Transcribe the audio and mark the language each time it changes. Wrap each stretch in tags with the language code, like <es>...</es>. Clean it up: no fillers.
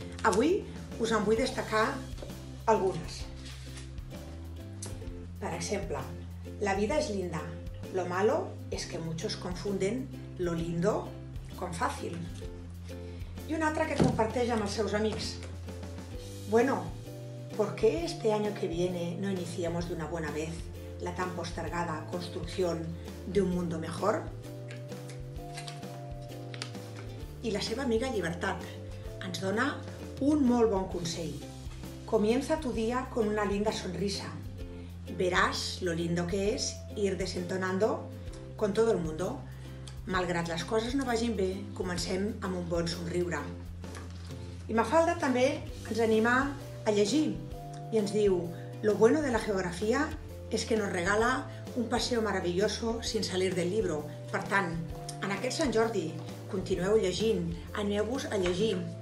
<ca>Avui us en vull destacar algunes. Per exemple,</ca> <es>la vida és linda, lo malo es que muchos confunden lo lindo con fácil.</es> <ca>I una altra que comparteix amb els seus amics.</ca> <es>Bueno, ¿por qué este año que viene no iniciamos de una buena vez la tan postergada construcción de un mundo mejor?</es> <ca>I la seva amiga Llibertat ens dona un molt bon consell.</ca> <es>Comienza tu día con una linda sonrisa. Verás lo lindo que es ir desentonando con todo el mundo.</es> <ca>Malgrat les coses no vagin bé, comencem amb un bon somriure. I Mafalda també ens anima a llegir i ens diu:</ca> <es>lo bueno de la geografía es que nos regala un paseo maravilloso sin salir del libro.</es> <ca>Per tant, en aquest Sant Jordi, continueu llegint, aneu-vos a llegir.</ca>